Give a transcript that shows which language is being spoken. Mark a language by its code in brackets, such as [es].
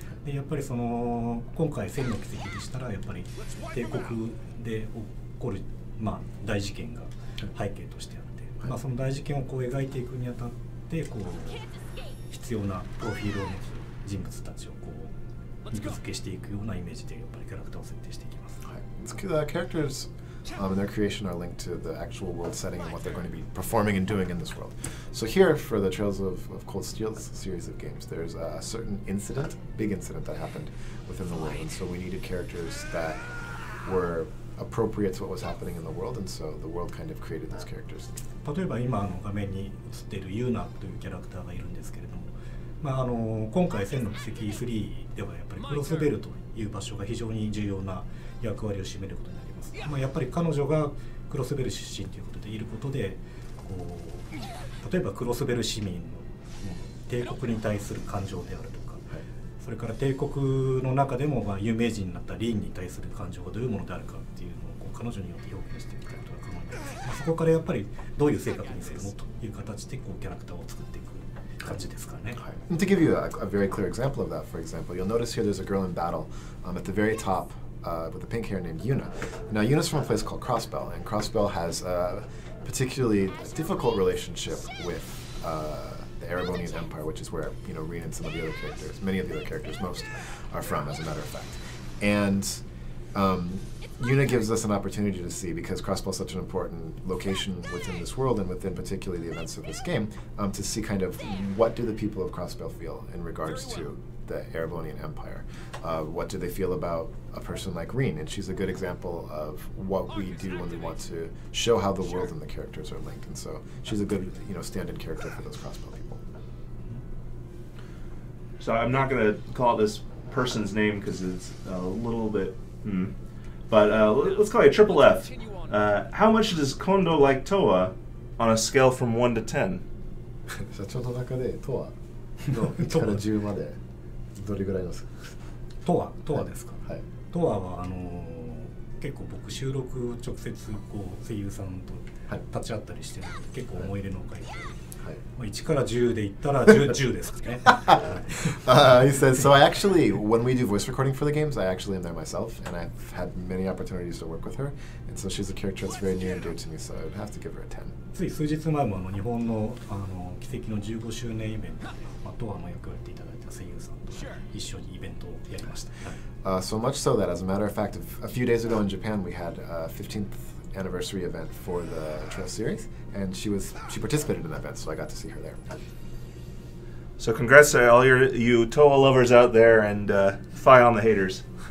[ja] でやっぱりその今回千の奇跡でしたらやっぱり帝国で起こる、大事件が背景としてあって、はい、その大事件をこう描いていくにあたってこう必要なプロフィールを持つ人物たちをこう肉付けしていくようなイメージでやっぱりキャラクターを設定していきます。 [en] はい、the characters and their creation are linked to the actual world setting and what they're going to be performing and doing in this world. So here for the Trails of Cold Steel series of games, there's a certain incident, big incident that happened within the world, and so we needed characters that were appropriate to what was happening in the world, and so the world kind of created those characters. [ja] 例えば今画面に映っているユーナというキャラクターがいるんですけれども、今回千の奇跡3ではやっぱりクロスベルという場所が非常に重要な役割を占めることになります。やっぱり彼女がクロスベル出身ということでいることで、こう例えばクロスベル市民の帝国に対する感情であるとか、それから帝国の中でも有名人になったリーンに対する感情がどういうものであるかっていうのをこう彼女によって表現していくことが可能です。そこからやっぱりどういう性格にするのという形でこうキャラクターを作っていく感じですかね。 [en] はい、To give you a very clear example of that, for example, you'll notice here there's a girl in battle at the very top with the pink hair named Yuna. Now Yuna's from a place called Crossbell, and Crossbell has a particularly difficult relationship with the Erebonian Empire, which is where, you know, Rin and some of the other characters, many of the other characters most are from, as a matter of fact. And Yuna gives us an opportunity to see, because Crossbell is such an important location within this world and within particularly the events of this game, to see kind of what do the people of Crossbell feel in regards to the Erebonian Empire. What do they feel about a person like Rin? And she's a good example of what we do when we want to show how the world and the characters are linked. And so she's a good, you know, stand-in character for those Crossbell people. So I'm not going to call this person's name because it's a little bit, but let's call it Triple F. How much does Kondo like Toa on a scale from 1 to 10? [ja] 社長の中でトアの1から10までどれぐらいですか？トアですか？はい。トアは結構僕収録直接こう声優さんと立ち会ったりしてるので、はい、結構思い入れの深い。 1から10で言ったら 10ですかね。 [en] He says, so I actually, when we do voice recording for the games, I actually am there myself, and I've had many opportunities to work with her, and so she's a character that's very near and dear to me, so I'd have to give her a 10. [ja] つい数日前も日本の奇跡の15周年イベントで、トアの役をやっていただいた声優さんと一緒にイベントをやりました。 [en] So much so that, as a matter of fact, a few days ago in Japan, we had a 15th anniversary event for the Trails series, and she participated in that event, so I got to see her there. So congrats to all you Toa lovers out there, and fie on the haters.